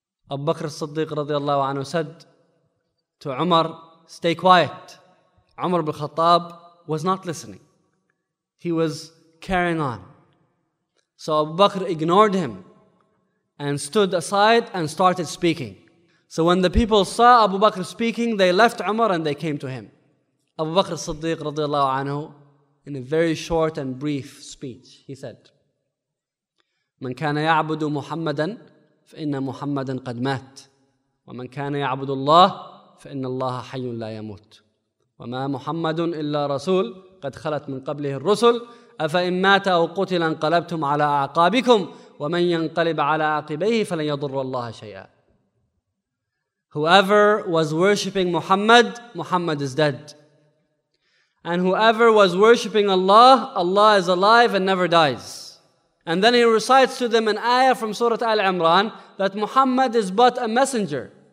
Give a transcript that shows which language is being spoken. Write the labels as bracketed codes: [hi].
[en] Abu Bakr as-Siddiq radiallahu anhu said to Umar, stay quiet. Umar ibn Khattab was not listening. He was carrying on. So Abu Bakr ignored him and stood aside and started speaking. So when the people saw Abu Bakr speaking, they left Umar and they came to him. [ar] Abu Bakr as-Siddiq radiallahu anhu, [en] in a very short and brief speech, he said, [ar] من كان يعبد محمدا فإن محمدا قد مات ومن كان يعبد الله فإن الله حي لا يموت وما محمد إلا رسول قد خلت من قبله الرسل أفإن مات أو قتل انقلبتم على أعقابكم ومن ينقلب على عقبيه فلن يضر الله شيئا. [en] Whoever was worshipping Muhammad, Muhammad is dead. And whoever was worshipping Allah, Allah is alive and never dies. And then he recites to them an ayah from Surah Al-Imran that Muhammad is but a messenger.